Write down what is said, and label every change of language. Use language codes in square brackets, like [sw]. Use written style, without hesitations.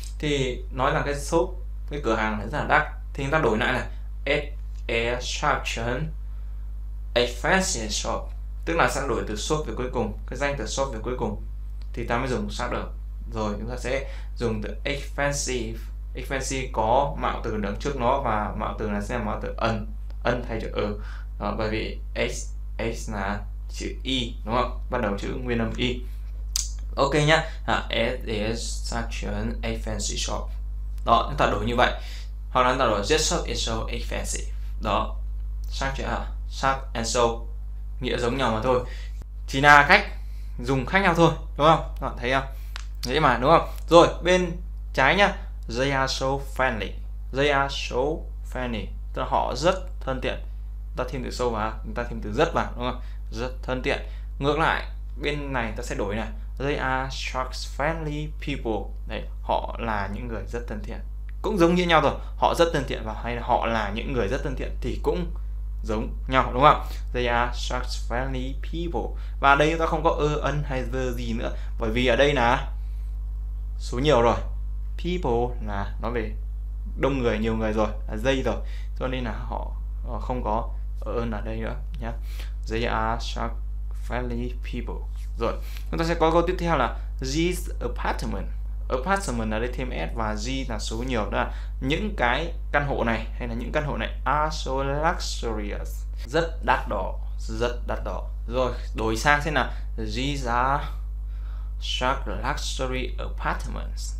[vi] Thì nói là cái shop, cái cửa hàng rất là đắt, thì người ta đổi lại là [en] it is such an expensive shop, [vi] tức là sẽ đổi từ shop về cuối cùng, cái danh từ shop về cuối cùng thì ta mới dùng shop được. Rồi chúng ta sẽ dùng từ expensive. Expensive có mạo từ đứng trước nó và mạo từ là sẽ là mạo từ un thay chữ ơ. Đó, bởi vì s là chữ y đúng không, bắt đầu chữ nguyên âm y. Ok nhá. [en] It is such an expensive shop. [vi] Đó, chúng ta đổi như vậy, hoặc là chúng ta đổi [en] this shop is so expensive. [vi] Đó, such and so nghĩa giống nhau mà thôi, chỉ là cách dùng khác nhau thôi đúng không, các bạn thấy không? Thế mà đúng không? Rồi bên trái nhá, [en] they are so friendly. They are so friendly [vi] tức là họ rất thân thiện. Ta thêm từ sâu vào, ta thêm từ rất vào đúng không? Rất thân thiện. Ngược lại bên này ta sẽ đổi này, [en] they are such friendly people. [vi] Đấy, họ là những người rất thân thiện, cũng giống như nhau rồi. Họ rất thân thiện và hay là họ là những người rất thân thiện thì cũng giống nhau đúng không? [en] They are such friendly people. [vi] Và đây ta không có un hay the gì nữa, bởi vì ở đây là số nhiều rồi, people là nói về đông người, nhiều người rồi, là they rồi, cho nên là họ không có ơn ở đây nữa nhé. [en] They are such friendly people. [vi] Rồi chúng ta sẽ có câu tiếp theo là this apartment. Apartment ở đây thêm s và z là số nhiều, đó là những cái căn hộ này hay là những căn hộ này [en] are so luxurious, [vi] rất đắt đỏ, rất đắt đỏ. Rồi đổi sang xem nào, [en] these are Shark luxury apartments.